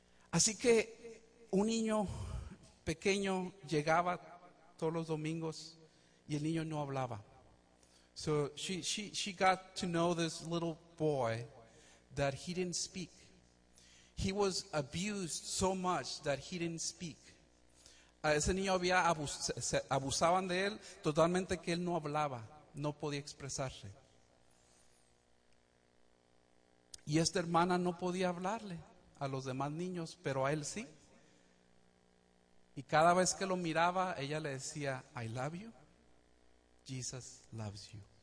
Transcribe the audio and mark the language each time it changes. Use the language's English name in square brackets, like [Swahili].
[Spanish] Así que un niño pequeño llegaba todos los domingos y el niño no hablaba. [English] So she got to know this little boy that he didn't speak. He was abused so much that he didn't speak. [Spanish] Ese niño había abusaban de él totalmente que él no hablaba, no podía expresarse. Y esta hermana no podía hablarle a los demás niños, pero a él sí. Y cada vez que lo miraba, ella le decía, [English] I love you. Jesus loves you.